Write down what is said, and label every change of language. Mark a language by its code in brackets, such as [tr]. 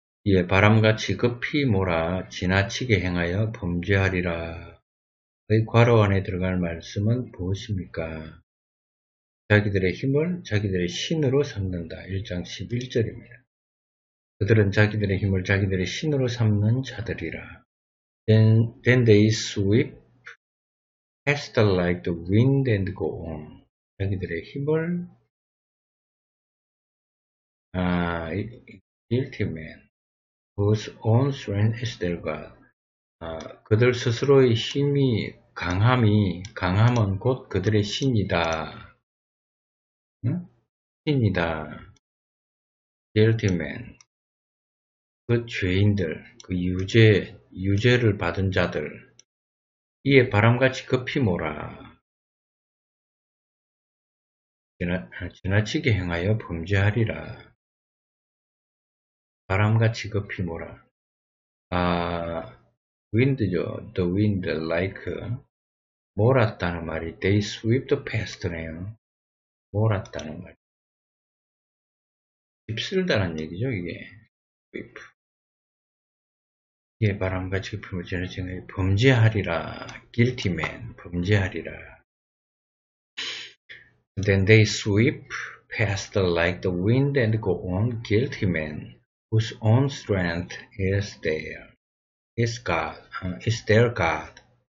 [ko] 이에 바람같이 급히 몰아 지나치게 행하여 범죄하리라. 의 괄호 안에 들어갈 말씀은 무엇입니까? 자기들의 힘을 자기들의 신으로 삼는다. 1장 11절입니다. 그들은 자기들의 힘을 자기들의 신으로 삼는 자들이라. [en] Then they sweep past like the wind and go on. [ko] 자기들의 힘을 [en] guilty man whose own strength is their God. [ko] 그들 스스로의 힘이 강함은 곧 그들의 신이다. 신이다. [en] Guilty man. [ko] 그 죄인들, 그 유죄를 받은 자들. 이에 바람같이 급히 몰아. 지나치게 행하여 범죄하리라. 바람같이 급히 몰아. 아, wind죠. [en] The wind like. [ko] 몰았다는 말이 [en] they sweep the past네요. [ko] 몰았다는 말. 휩쓸다란 얘기죠, 이게. 이게 바람과 질풍을 지나치는 범죄하리라. [en] Guilty man, [ko] 범죄하리라. [en] Then they sweep past like the wind and go on. Guilty man, whose own strength is there, is God, is their God.